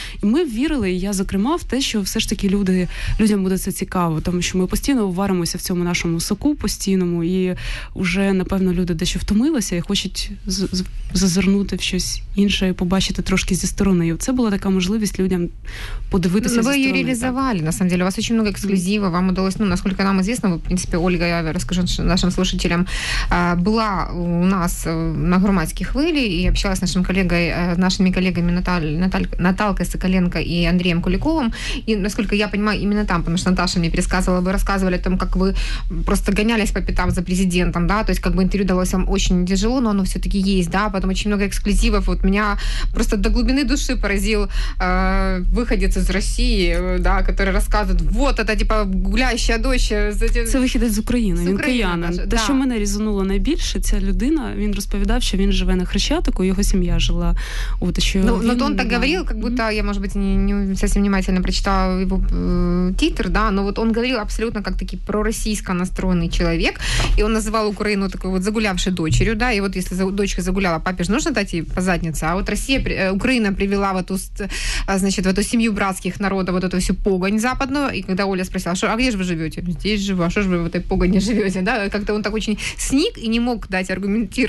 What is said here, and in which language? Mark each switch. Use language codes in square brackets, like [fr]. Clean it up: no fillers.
[uk] І ми вірили, і я, зокрема, в те, що все ж таки людям буде це цікаво, тому що ми постійно варимося в цьому нашому соку постійному, і вже, напевно, люди дещо втомилися і хочуть зазирнути в щось інше, побачити трошки зі сторони. І це була така можливість людям подивитися. Ви її реалізували, [ru] на самом деле. [uk] У вас дуже багато ексклюзивів, [ru] вам удалось, ну, наскільки нам известно, в принципе, Ольга, я расскажу нашим слушателям, была у нас на громадских вылях и общалась с нашим коллегой, с нашими коллегами Наталькой Соколенко и Андреем Куликовым. И, насколько я понимаю, именно там, потому что Наташа мне пересказывала, вы рассказывали о том, как вы просто гонялись по пятам за президентом, да, то есть как бы интервью далось вам очень тяжело, но оно все-таки есть, да, потом очень много эксклюзивов, вот меня просто до глубины души поразил выходец из России, да, который рассказывает, вот это типа гуляющая дочь. [uk] Це виходить з України, він киянин. Те, що мене різонуло найбільше, ця людина, він розповідав, що він живе на Хрещатику, його сім'я жила. От, що ну, то він так говорив, як будто я, може бути, не зовсім внимательно прочитала його титр, да, но от він говорив абсолютно як такий проросійсько настроєний чоловік, і він називав Україну такою от загулявшою дочерю, да, і от якщо дочка загуляла, папі ж потрібно дати їй по задниці, а от Росія, Україна привела в ту, значить, в ту сім'ю братських народів, от ту всю погань западну, і коли Оля спросила, що, а де ж ви живете? [ru] Здесь живу, а що ж ви в этой погоні живете? Да? Как-то он так очень сник и не мог дать аргументированный ответ.